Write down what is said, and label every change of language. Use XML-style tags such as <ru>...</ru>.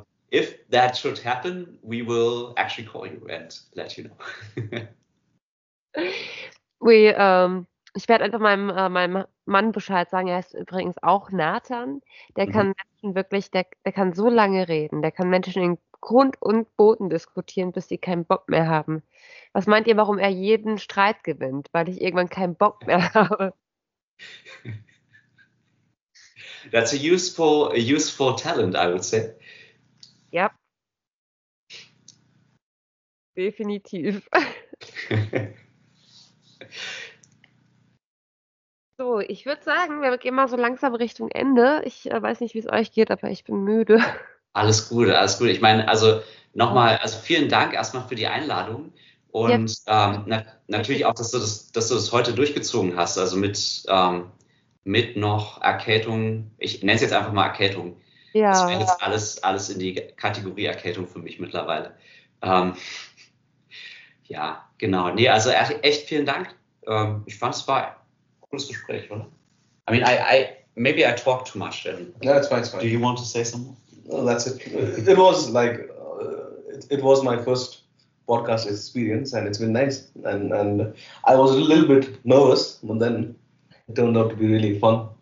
<en>If that should happen, we will actually call you and let you know.</en> <de>Ich werde einfach meinem Mann Bescheid sagen. Er heißt übrigens auch Nathan. Der kann Menschen wirklich, der kann so lange reden. Der kann Menschen in Grund und Boden diskutieren, bis sie keinen Bock mehr haben. Was meint ihr, warum er jeden Streit gewinnt? Weil ich irgendwann keinen Bock mehr habe.</de> <en>That's a useful talent, I would say. Yep.</en> <de>Definitiv. So, ich würde sagen, wir gehen mal so langsam Richtung Ende. Ich weiß nicht, wie es euch geht, aber ich bin müde. Alles gut, alles gut. Ich meine, also nochmal, also vielen Dank erstmal für die Einladung Ja. und natürlich auch, dass du das heute durchgezogen hast, also mit noch Erkältung. Ich nenne es jetzt einfach mal Erkältung. Das fällt Ja. jetzt alles in die Kategorie Erkältung für mich mittlerweile. Ja, genau. Nee, also echt vielen Dank. Ich fand es war ein cooles Gespräch, oder?</de> <en>I mean, maybe I talk too much. No, it's Do fine. you want to say something? No, that's it. It was like it was my first podcast experience, and it's been nice. And I was a little bit nervous, but then it turned out to be really fun.</en>